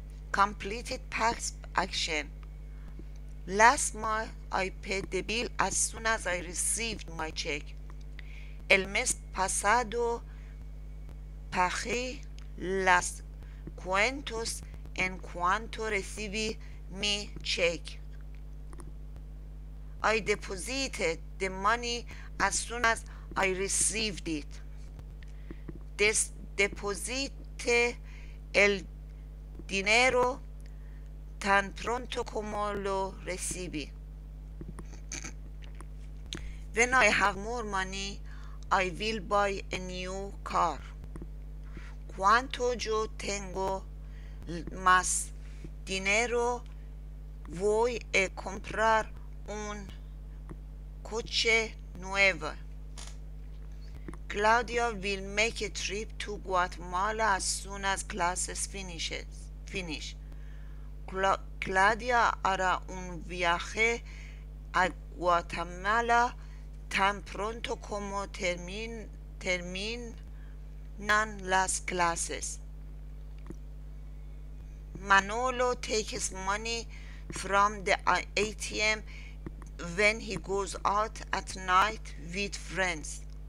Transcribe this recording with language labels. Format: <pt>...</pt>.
<en>Completed past action. Last month I paid the bill as soon as I received my check.</en> <es>El mes pasado pagué las cuentas en cuanto recibí mi check.</es> <en>I deposited the money as soon as I received it.</en> <es>Deposité el dinero tan pronto como lo recibí.</es> <en>When I have more money, I will buy a new car.</en> <es>Cuanto yo tengo más dinero, voy a comprar un coche nuevo.</es> <en>Claudia will make a trip to Guatemala as soon as classes finish.</en> <es>Claudia hará un viaje a Guatemala tan pronto como terminan las clases.</es> <en>Manolo takes money from the ATM when he goes out at night with friends.</en>